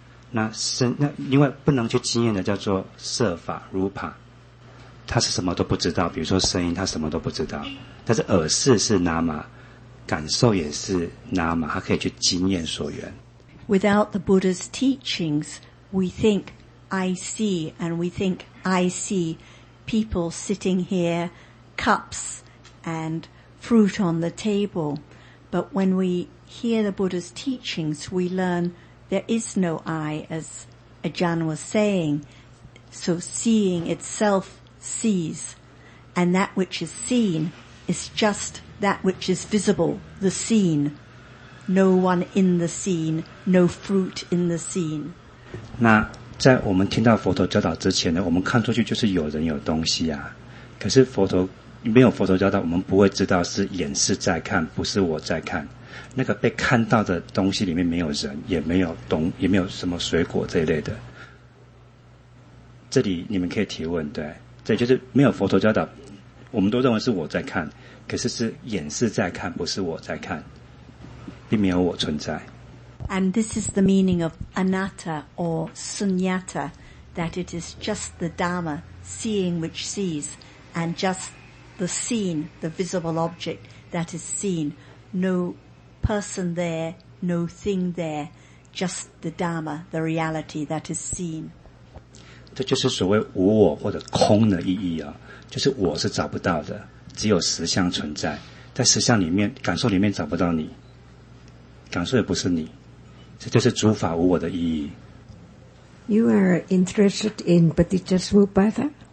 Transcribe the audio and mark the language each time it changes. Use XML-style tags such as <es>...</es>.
<zh>那另外不能去经验的叫做色法 rupa， 它是什么都不知道。比如说声音，它什么都不知道。但是耳识是拿玛，感受也是拿玛，它可以去经验所缘。</zh> <en>Without the Buddha's teachings, we think I see, and we think I see people sitting here. Cups and fruit on the table. But when we hear the Buddha's teachings, we learn there is no I, as Ajahn was saying. So seeing itself sees. And that which is seen is just that which is visible, the seen. No one in the seen, no fruit in the seen.</en> <zh>那在我们听到佛陀教导之前呢，我们看出去就是有人有东西啊。可是佛陀没有佛陀教导，我们不会知道是眼是在看，不是我在看。那个被看到的东西里面没有人，也没有什么水果这一类的。这里你们可以提问，对，对，就是没有佛陀教导，我们都认为是我在看，可是是眼是在看，不是我在看，并没有我存在。</zh> <en>And this is the meaning of anatta or sunyata, that it is just the Dhamma seeing which sees, and just. The seen, the visible object that is seen. No person there, no thing there, just the Dhamma, the reality that is seen.</en> <zh>这就是所谓无我或者空的意义啊，就是我是找不到的，只有实相存在，在实相里面，感受里面找不到你，感受也不是你，这就是诸法无我的意义。</zh> <en>You are interested in Patijasamubbada?</en>